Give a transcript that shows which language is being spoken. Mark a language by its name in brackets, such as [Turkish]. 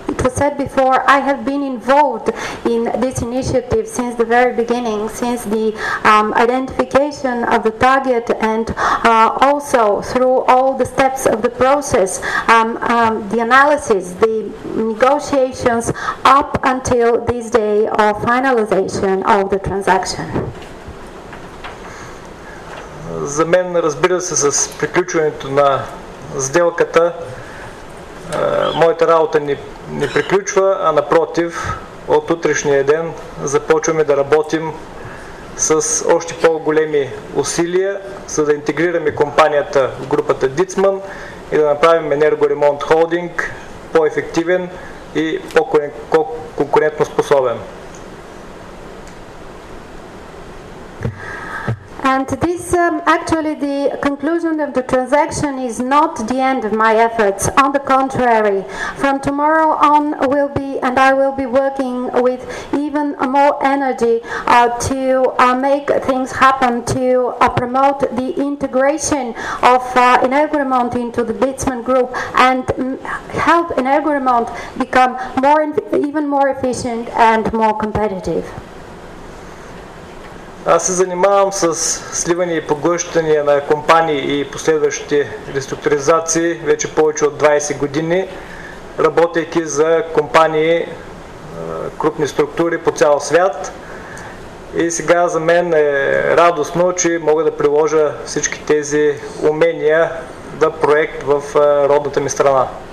[English] It was said before, I have been involved in this initiative since the very beginning, since the identification of the target and also through all the steps of the process, the analysis, the negotiations up until this day of finalization of the transaction. [Bulgarian] За мен, разбира се, с приключването на сделката, моята работа не приключва, а напротив, от утрешния ден започваме да работим с още по-големи усилия, за да интегрираме компанията в групата Дицман и да направим Енергоремонт холдинг по-ефективен и по-конкурентно способен. [English] And this, actually, the conclusion of the transaction is not the end of my efforts. On the contrary, from tomorrow on, I will be working with even more. more energy to make things happen, to promote the integration of Energoremont into the Ditzman Group and help Energoremont become more, even more efficient and more competitive. [Bulgarian] Аз се занимавам с сливане и поглъщане на компании и последващи реструктуризации вече повече от 20 години, работейки за компании, крупни структури по цял свят. И сега за мен е радостно, че мога да приложа всички тези умения да проект в родната ми страна.